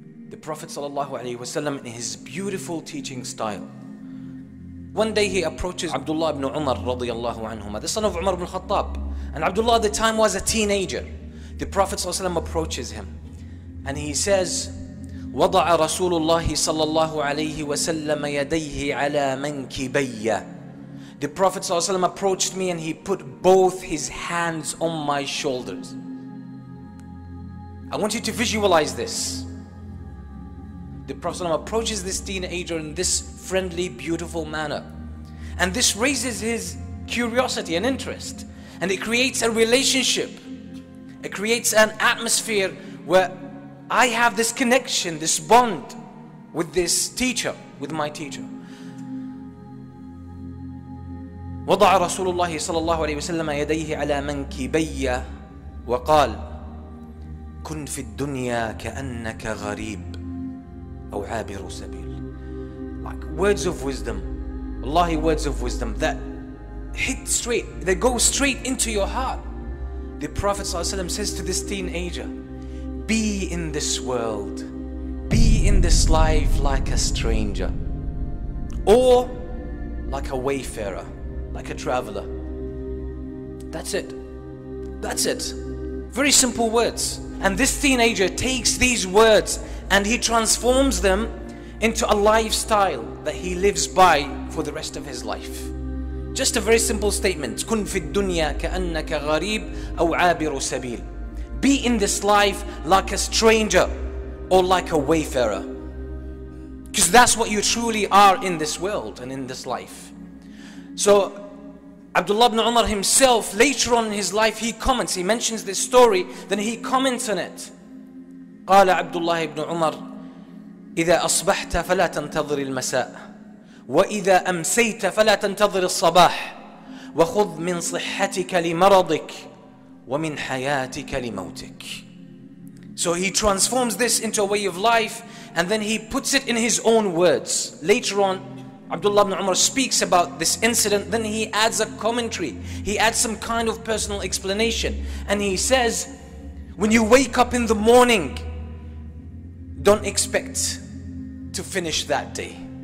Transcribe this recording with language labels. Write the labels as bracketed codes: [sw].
[en] The Prophet ﷺ in his beautiful teaching style. One day he approaches Abdullah ibn Umar radiallahu anhuma, the son of Umar ibn Khattab. And Abdullah at the time was a teenager. The Prophet ﷺ approaches him and he says, [ar] وَضَعَ رَسُولُ اللَّهِ صَلَّى اللَّهُ عَلَيْهِ وَسَلَّمَ يَدَيْهِ عَلَى مَنْكِبَيَّ. [en] The Prophet ﷺ approached me and he put both his hands on my shoulders. I want you to visualize this. The Prophet ﷺ approaches this teenager in this friendly, beautiful manner. And this raises his curiosity and interest. And it creates a relationship. It creates an atmosphere where I have this connection, this bond with this teacher, with my teacher. [ar] وضع رسول الله صلى الله عليه وسلم يديه على منكبي وقال كن في الدنيا كأنك غريب أو عابر سبيل. [en] Like words of wisdom, Allahi words of wisdom that hit straight, they go straight into your heart. The Prophet ﷺ says to this teenager, be in this world, be in this life like a stranger or like a wayfarer, like a traveler. That's it. That's it. Very simple words. And this teenager takes these words and he transforms them into a lifestyle that he lives by for the rest of his life. Just a very simple statement. [ar] كن في الدنيا كأنك غريب أو عابر سبيل. [en] Be in this life like a stranger or like a wayfarer. Because that's what you truly are in this world and in this life. So Abdullah ibn Umar himself, later on in his life, he comments, he mentions this story, then he comments on it. [ar] قال عبدالله ابن عمر إذا أصبحت فلا تنتظر المساء وإذا أمسيت فلا تنتظر الصباح وخذ من صحتك لمرضك ومن حياتك لموتك. [en] So he transforms this into a way of life and then he puts it in his own words. Later on, Abdullah ibn Umar speaks about this incident, then he adds a commentary. He adds some kind of personal explanation and he says, when you wake up in the morning, don't expect to finish that day.